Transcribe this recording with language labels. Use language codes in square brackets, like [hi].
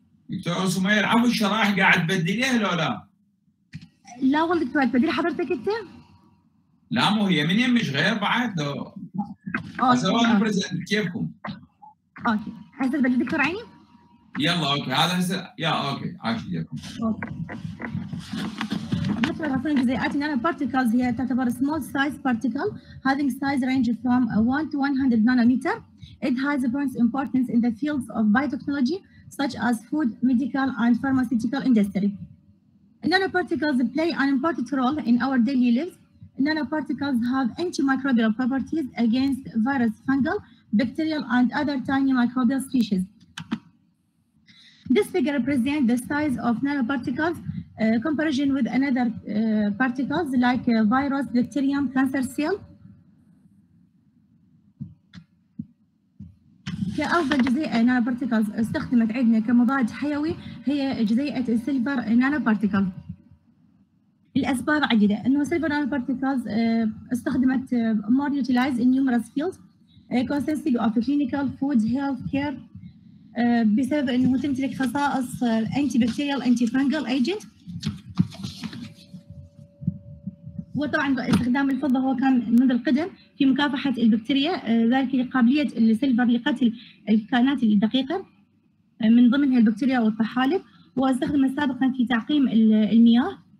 [ar] دكتور أنس ما يلعبوا الشرائح قاعد تبدليها لو لا؟ لا والله دكتور تبدلي حضرتك أنت؟ لا مو هي من يمش غير بعد. أسوان برزنت كيفكم؟ أوكي هسه تبدلي دكتور عيني؟ يلا أوكي هذا هسه يا أوكي عاش فيكم. مثل ما تعرفون جزيئات النانو بارتيكلز هي تعتبر [en] small size particle having size range from 1 to 100 nanometer. It has immense importance in the fields of biotechnology such as food, medical and pharmaceutical industry. Nano particles play an important role in our daily lives. Nano particles have antimicrobial properties against virus, fungal, bacterial and other tiny microbial species. This figure represents the size of nano particles comparison with another particles like virus, bacterium, cancer cell. [ar] كأفضل جزيئة نانو بارتيكلز استخدمت عندنا كمضاد حيوي هي جزيئة السيلفر نانو بارتيكل. الأسباب عديدة إنه سيلفر نانو بارتيكلز استخدمت [en] more utilized in numerous fields consisting of clinical, food, health care [ar] بسبب إنه تمتلك خصائص [en] antibacterial, antifungal agent. [ar] وطبعا استخدام الفضة هو كان منذ القدم في مكافحة البكتيريا، ذلك لقابلية السيلفر لقتل الكائنات الدقيقة من ضمنها البكتيريا والطحالب، واستخدم سابقا في تعقيم المياه.